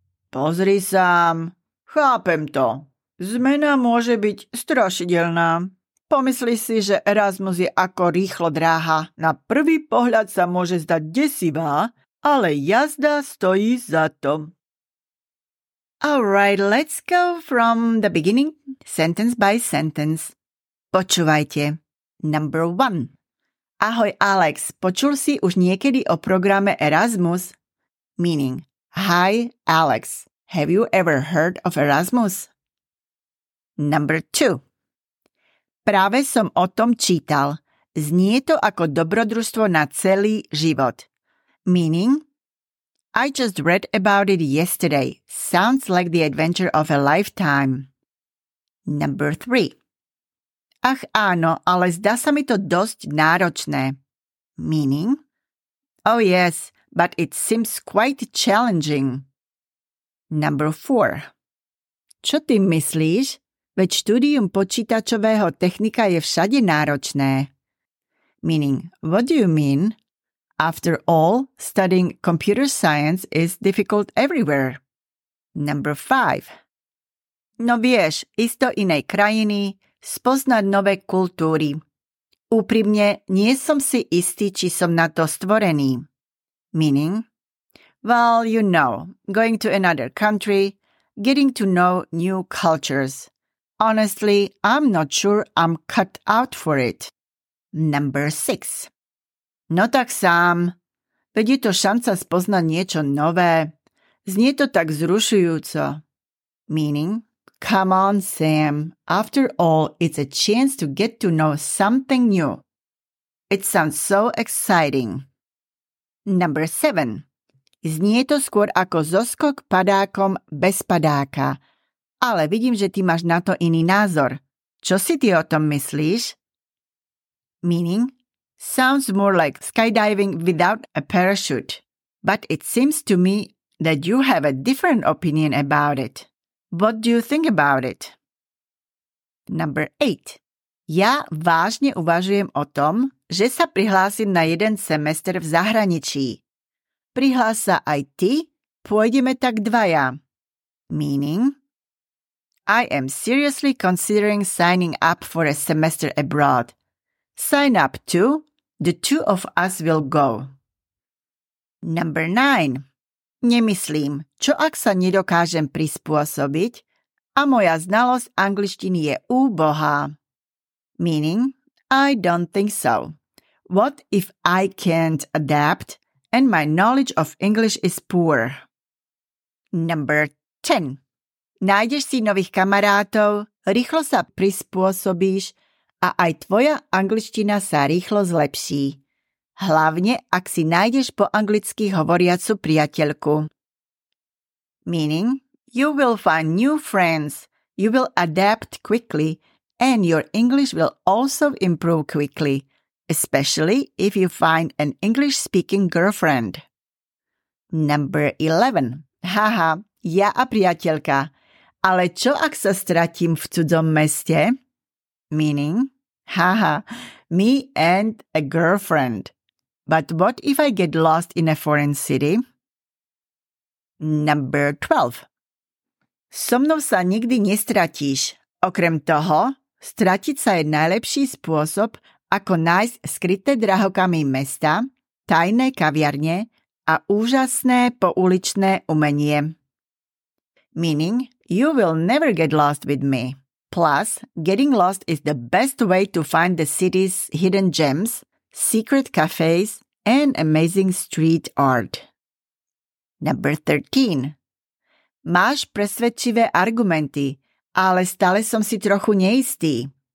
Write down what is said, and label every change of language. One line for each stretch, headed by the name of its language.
Slovak: Pozri sa, chápem to. Zmena môže byť strašidelná. Pomyslíš si, že Erasmus je ako rýchlo dráha. Na prvý pohľad sa môže zdať desivá, ale jazda stojí za to.
English: All right, let's go from the beginning, sentence by sentence.
Slovak: Počúvajte.
English: Number one.
Slovak: Ahoj Alex, počul si už niekedy o programe Erasmus?
English: Meaning, hi Alex, have you ever heard of Erasmus? Number two.
Slovak: Práve som o tom čítal. Znie to ako dobrodružstvo na celý život.
English: Meaning, I just read about it yesterday. Sounds like the adventure of a lifetime. Number three.
Slovak: Ach áno, ale zdá sa mi to dosť náročné.
English: Meaning, oh yes, but it seems quite challenging. Number four.
Slovak: Čo ty myslíš? Veď štúdium počítačového technika je všade náročné.
English: Meaning, what do you mean? After all, studying computer science is difficult everywhere. Number five.
Slovak: No vieš, ísť do inej krajiny, spoznať nové kultúry. Úprimne, nie som si istý, či som na to stvorený.
English: Meaning, well, you know, going to another country, getting to know new cultures. Honestly, I'm not sure I'm cut out for it. Number six.
Slovak: No tak sám. Veď je to šanca spoznať niečo nové. Znie to tak zrušujúco.
English: Meaning, come on, Sam. After all, it's a chance to get to know something new. It sounds so exciting. Number seven.
Slovak: Znie to skôr ako zoskok padákom bez padáka. Ale vidím, že ty máš na to iný názor. Čo si ty o tom myslíš?
English: Meaning, sounds more like skydiving without a parachute. But it seems to me that you have a different opinion about it. What do you think about it? Number 8.
Slovak: Ja vážne uvažujem o tom, že sa prihlásim na jeden semester v zahraničí. Prihlás sa aj ty, pôjdeme tak dvaja.
English: Meaning, I am seriously considering signing up for a semester abroad. Sign up too. The two of us will go. Number 9.
Slovak: Nemyslím, čo ak sa nedokážem prispôsobiť a moja znalosť angličtiny je úbohá.
English: Meaning, I don't think so. What if I can't adapt and my knowledge of English is poor? Number 10.
Slovak: Nájdeš si nových kamarátov, rýchlo sa prispôsobíš a aj tvoja angličtina sa rýchlo zlepší. Hlavne, ak si nájdeš po anglicky hovoriacu priateľku.
English: Meaning, you will find new friends, you will adapt quickly and your English will also improve quickly, especially if you find an English-speaking girlfriend. Number 11.
Slovak: Haha, ja a priateľka. Ale čo, ak sa stratím v cudzom meste?
English: Meaning, haha, me and a girlfriend. But what if I get lost in a foreign city? Number 12.
Slovak: So mnou sa nikdy nestratíš. Okrem toho, stratiť sa je najlepší spôsob, ako nájsť skryté drahokamy mesta, tajné kaviarne a úžasné pouličné umenie.
English: Meaning, you will never get lost with me. Plus, getting lost is the best way to find the city's hidden gems, secret cafes, and amazing street art. Number 13.
Slovak: Máš presvedčivé argumenty, ale stále som si trochu neistý.